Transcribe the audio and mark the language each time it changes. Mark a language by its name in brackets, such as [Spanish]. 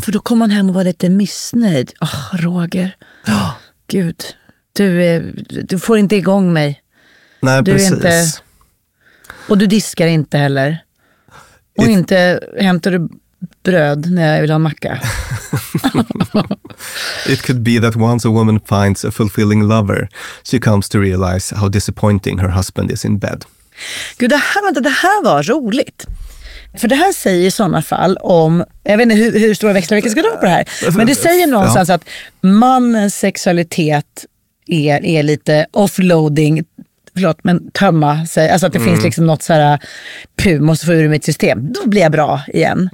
[Swedish] För då kom man hem och var lite missnöjd. Roger. Gud. Du får inte igång mig. Nej, du precis. Är inte, och du diskar inte heller. Och inte hämtar du bröd när jag vill ha en macka. [English] It could be that once a woman finds a fulfilling lover, she comes to realize how disappointing her husband is in bed. [Swedish] Gud, det här var roligt. För det här säger i sådana fall om, jag vet inte hur stora växlar vi ska dra på det här, men det säger någonstans att mannens sexualitet är lite offloading, förlåt, men tömma sig, alltså att det finns liksom något såhär måste få ur mitt system, då blir jag bra igen.